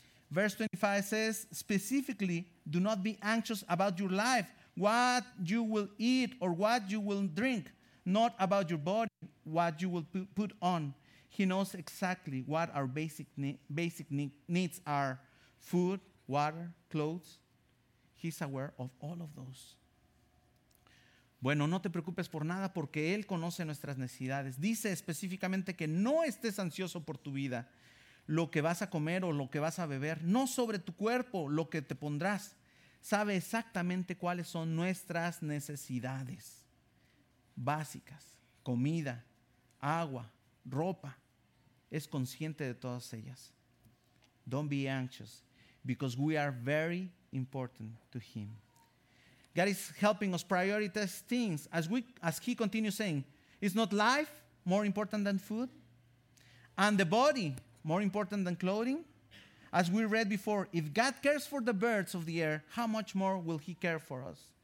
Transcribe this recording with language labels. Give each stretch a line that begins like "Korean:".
English: Verse 25 says, specifically, do not be anxious about your life, what you will eat or what you will drink, not about your body, what you will put on. He knows exactly what our basic needs are, food, water, clothes. He's aware of all of those.
Spanish: Bueno, no te preocupes por nada porque Él conoce nuestras necesidades. Dice específicamente que no estés ansioso por tu vida, lo que vas a comer o lo que vas a beber, no sobre tu cuerpo, lo que te pondrás. Sabe exactamente cuáles son nuestras necesidades básicas, comida, agua, ropa. Es consciente de todas ellas.
English: Don't be anxious because we are very important to Him. God is helping us prioritize things as He continues saying, is not life more important than food? And the body more important than clothing? As we read before, if God cares for the birds of the air, how much more will He care for us?